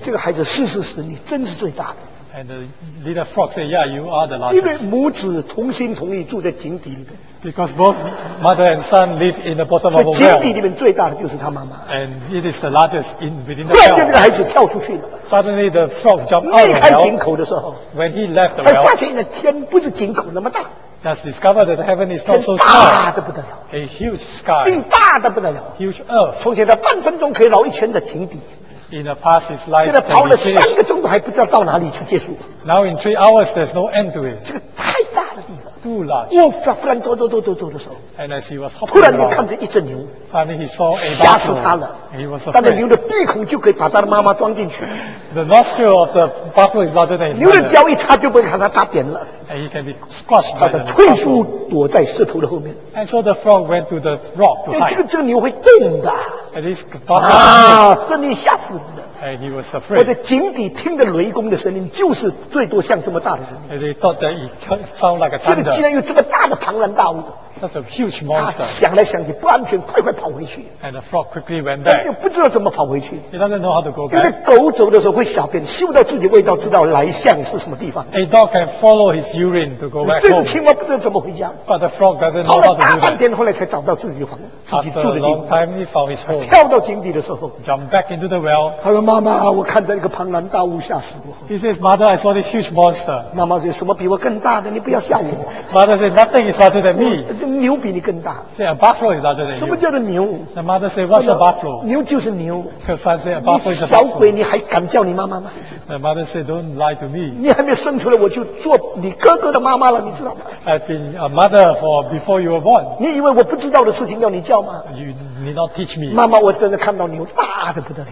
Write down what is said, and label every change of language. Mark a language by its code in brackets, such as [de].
[zh] 这个孩子是事实，你真是最大的。 [en] And the little frog said, "Yeah, you are the largest." [zh] 因为母子同心同意住在井底里面。 [en] Because both mother and son live in the bottom of a well. [zh] 所以井底里面最大的就是他妈妈。 [en] And it is the largest in within the well. [zh] 突然间，这个孩子跳出去了。 [en] Suddenly, the frog jumped out of the well. [zh] 离开井口的时候 [en] ，when he left the well, [zh] 他发现那天不是井口那么大。 [en] Has discovered that heaven is not so small. [zh] 天大的不得了。 [en] A huge sky. [zh] 地大的不得了。 [en] Huge earth. [zh] 从前他半分钟可以绕一圈的井底。 [en] In the past, his life. [zh] 现在跑了三个钟头还不知道到哪里去结束。 [en] Now in 3 hours, there's no end to it. [zh] 这个太大了。 [en] Too large. [zh] 又忽然走走走走走的时候，突然间看见一只牛，吓死他了。但是牛的鼻孔就可以把他的妈妈装进去。 [en] The nostril of the buffalo is larger than his. [zh] 牛的脚一插就被它打扁了。 [en] And he can be squashed. [zh] 它的退缩躲在石头的后面。 [en] And so the frog went to the rock to hide. [zh] 这个牛会动的。 [en] And this buffalo. [zh] 啊，这你吓死你了。 [en] And he was afraid. [zh] 或者井底听的雷公的声音，就是最多像这么大的声音。 [en] And he thought that it sounded like a thunder. [zh] 这里竟然有这么大的庞然大物。 [en] Such a huge monster. [zh] 他想来想去不安全，快快跑回去。 [en] And the frog quickly went back. [zh] 又不知道怎么跑回去。 [en] He doesn't know how to go back. [zh] 因为狗走的时候会小便，嗅到自己味道，知道来向是什么地方。 [en] A dog can follow his urine to go back home. [zh] 这个青蛙不知道怎么回家。 [en] But the frog doesn't know how to go back. [zh] 跑了大半天，后来才找到自己的房，自己住的地方。 [en] After a long time, he found his home. [zh] 跳到井底的时候 [en] ，jump back into the well. [zh] 他说：“妈妈，我看到一个庞然大物，吓死我。 [en] ”He says, "Mother, I saw this huge monster." [zh] 妈妈说：“什么比我更大的？你不要吓我。 [en] ”Mother says, "Nothing is larger than me." [zh] 牛比你更大。 [en] Say a buffalo is larger than you. [zh] 什么叫做牛 [en] ？The mother said, "What's a buffalo?" [zh] 牛就是牛。 [en] Her son said, "A buffalo is a buffalo." [zh] 小鬼，你还敢叫你妈妈吗 [en] ？The mother said, "Don't lie to me." [zh] 你还没生出来，我就做你哥哥的妈妈了，你知道吗 [en] ？I've been a mother for before you were born. [zh] 你以为我不知道的事情要你教吗 [en] ？You need not teach me. [zh] 妈妈，我真的看到牛大的不得了。